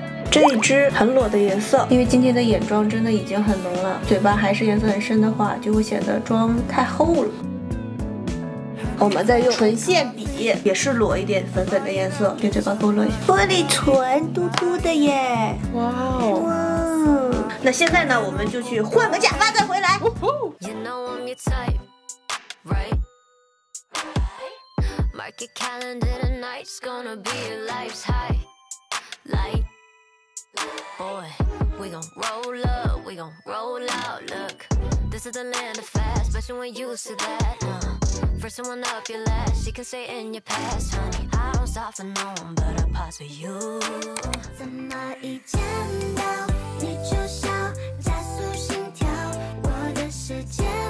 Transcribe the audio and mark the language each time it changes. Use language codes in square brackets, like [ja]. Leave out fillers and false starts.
[zh] 这一支很裸的颜色，因为今天的眼妆真的已经很浓了，嘴巴还是颜色很深的话，就会显得妆太厚了。我们再用唇线笔，也是裸一点粉粉的颜色，给嘴巴勾勒一下。玻璃唇，嘟嘟的耶！哇哦！那现在呢，我们就去换个假发再回来。 [en] You know I'm your type, right? Mark your calendar, tonight's gonna be your life's high, light. Boy, we gon' roll up, we gon' roll out. Look, this is the land of fast, but you ain't used to that. First one up your last, she can stay in your past, honey. I don't stop for no one, but I pause for you. [zh] 怎么一见到你就笑，加速心跳，我的世界。